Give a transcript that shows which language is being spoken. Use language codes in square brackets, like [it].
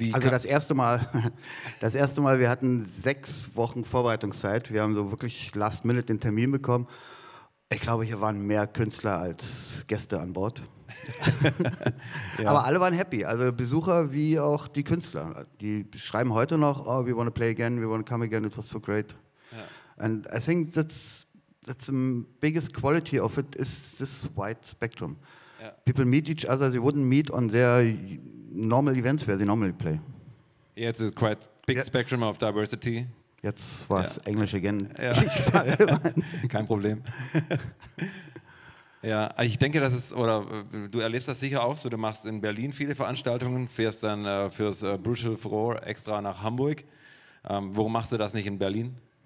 [de] Das erste Mal, wir hatten 6 Wochen Vorbereitungszeit, wir haben so wirklich last minute den Termin bekommen. Ich glaube, hier waren mehr Künstler als Gäste an Bord. Ja. Aber alle waren happy, also Besucher wie auch die Künstler. Die schreiben heute noch, [en] oh, we want to play again, we want to come again, it was so great. Ja. And I think that's the biggest quality of it is this wide spectrum. Ja. People meet each other, they wouldn't meet on their normal events where they normally play. Yeah, it's a quite big spectrum of diversity. [de] Jetzt war es Englisch again. Ja. Kein Problem. Ja, ich denke, das ist, oder du erlebst das sicher auch so, du machst in Berlin viele Veranstaltungen, fährst dann fürs Brutal Furore extra nach Hamburg. Warum machst du das nicht in Berlin?